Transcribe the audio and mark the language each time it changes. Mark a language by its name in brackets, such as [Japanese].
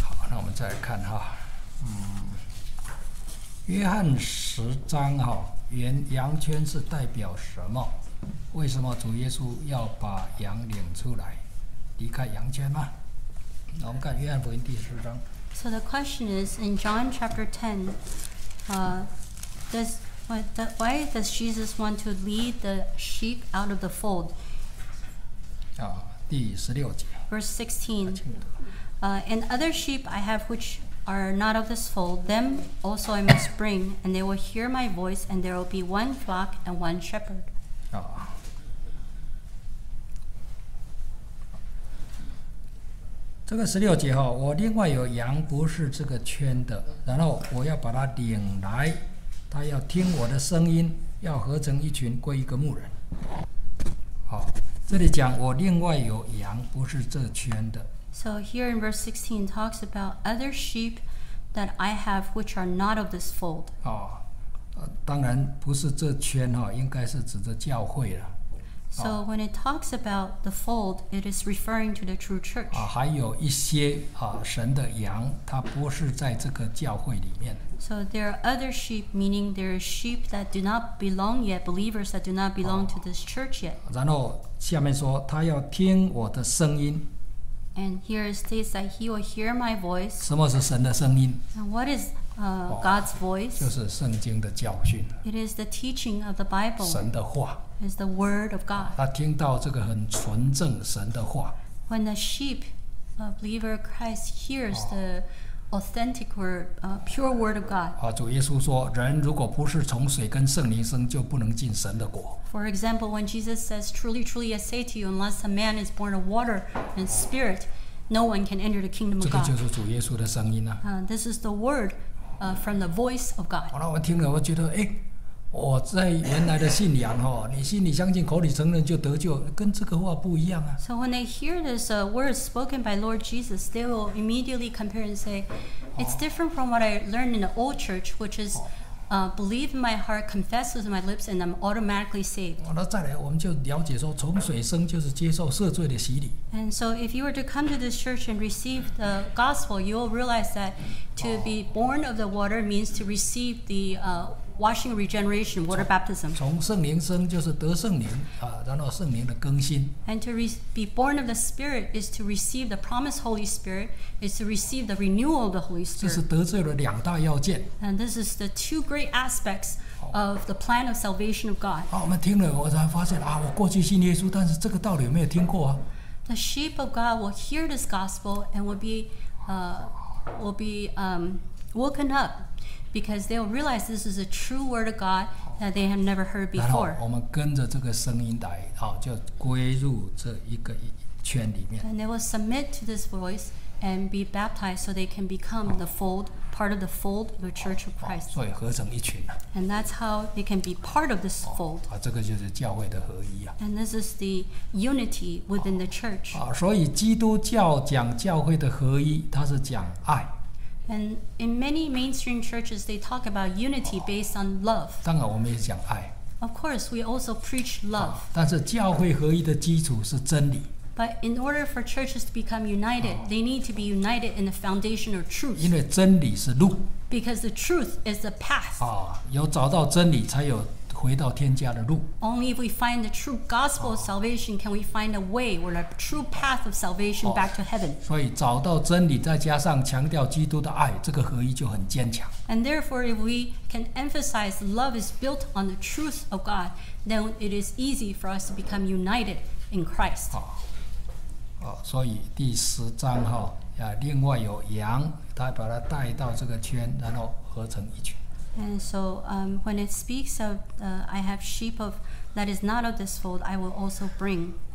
[Chinese] 那我们再来看哈，约翰十章哈，原羊圈是代表什么？为什么主耶稣要把羊领出来，离开羊圈吗？那我们看约翰福音第十章。 [English] So the question is in John chapter 10, why does Jesus want to lead the sheep out of the fold? [Chinese] 啊，第十六节。 [English] Verse 16. And other sheep I have which are not of this fold, them also I must bring, and they will hear my voice, and there will be one flock and one shepherd. [Chinese] 啊，这个十六节哈，我另外有羊不是这个圈的，然后我要把它领来，它要听我的声音，要合成一群归一个牧人。好，这里讲我另外有羊不是这圈的。 [English] So here in verse 16 talks about other sheep that I have which are not of this fold. [Chinese] 哦，当然不是这圈哈，应该是指的教会了。 [English] So when it talks about the fold, it is referring to the true church. [Chinese] 啊，还有一些啊，神的羊，它不是在这个教会里面。 [English] So there are other sheep, meaning there are sheep that do not belong yet, believers that do not belong to this church yet. [Chinese] 然后下面说，他要听我的声音。 [English] And here it states that he will hear my voice. [Chinese] 什么是神的声音？ [English] What is God's voice? [Chinese] 就是圣经的教训。 [English] It is the teaching of the Bible. [Chinese] 神的话。 [English] It's the word of God. [Chinese] 他听到这个很纯正神的话。 [English] When the sheep, a believer of Christ, hears the authentic word, pure word of God. [Chinese] 主耶稣说，人如果不是从水跟圣灵生，就不能进神的国。 [English] For example, when Jesus says, truly, truly, I say to you, unless a man is born of water and spirit, no one can enter the kingdom of God. [Chinese] 这个就是主耶稣的声音啊。 [English] This is the word from the voice of God. [Chinese] 好了，我听了，我觉得，哎，我在原来的信仰哦，你心里相信，口里承认就得救，跟这个话不一样啊。 [English] So when they hear this word spoken by Lord Jesus, they will immediately compare and say, it's different from what I learned in the old church, which is believe in my heart, confess with my lips, and I'm automatically saved. [Chinese] 那再来，我们就了解说，从水生就是接受赦罪的洗礼。 [English] And so, if you were to come to this church and receive the gospel, you will realize that to be born of the water means to receive the washing, regeneration, water baptism. [Chinese] 从圣灵生就是得圣灵啊，然后圣灵的更新。 [English] And to be born of the Spirit is to receive the promised Holy Spirit, is to receive the renewal of the Holy Spirit. [Chinese] 这是得罪了两大要件。 [English] And this is the two great aspects of the plan of salvation of God. [Chinese] 好，我们听了，我才发现啊，我过去信耶稣，但是这个道理有没有听过啊 [English] ？The sheep of God will hear this gospel and will be woken up. Because they will realize this is a true word of God that they have never heard before. [Chinese] 然后我们跟着这个声音来，好，就归入这一个圈里面。 [English] And they will submit to this voice and be baptized so they can become the fold, part of the fold of the Church of Christ. [Chinese] 所以合成一群了。 [English] And that's how they can be part of this fold. [Chinese] 这个就是教会的合一啊。 [English] And this is the unity within the church. [Chinese] 所以基督教讲教会的合一，它是讲爱。 [English] And in many mainstream churches, they talk about unity based on love. [Chinese] 当然我们也讲爱。 [English] Of course, we also preach love. [Chinese] 但是教会合一的基础是真理。 [English] But in order for churches to become united, they need to be united in the foundation of truth. [Chinese] 因为真理是路。 [English] Because the truth is the path. [Chinese] 有找到真理才有回到天家的路。 [English] Only if we find the true gospel of salvation can we find a way or a true path of salvation back to heaven. [Chinese] 所以找到真理，再加上强调基督的爱，这个合一就很坚强。 [English] And therefore, if we can emphasize love is built on the truth of God, then it is easy for us to become united in Christ. [Chinese] 所以第十章哈，另外有羊，他把它带到这个圈，然后合成一群。 [English] And so, when it speaks of, I have sheep of that is not of this fold, I will also bring.